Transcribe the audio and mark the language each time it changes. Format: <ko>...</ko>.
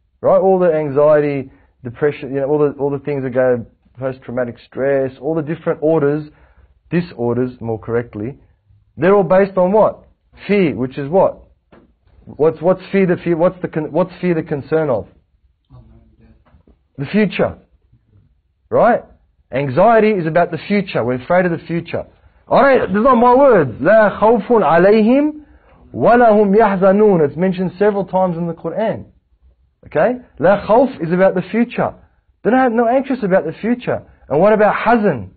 <en>Right, all the anxiety, depression, you know, all the things that go, post-traumatic stress, all the different orders, disorders, more correctly, they're all based on what? Fear, which is what? What's fear the concern of? The future. Right? Anxiety is about the future. We're afraid of the future. Alright, these are my words.</en> <ar>لا خوف عليهم ولا هم يحزنون.</ar> <en>It's mentioned several times in the Quran. Okay?</en> <ar>لا خوف</ar> <en>is about the future. They're not anxious about the future. And what about حزن?</en>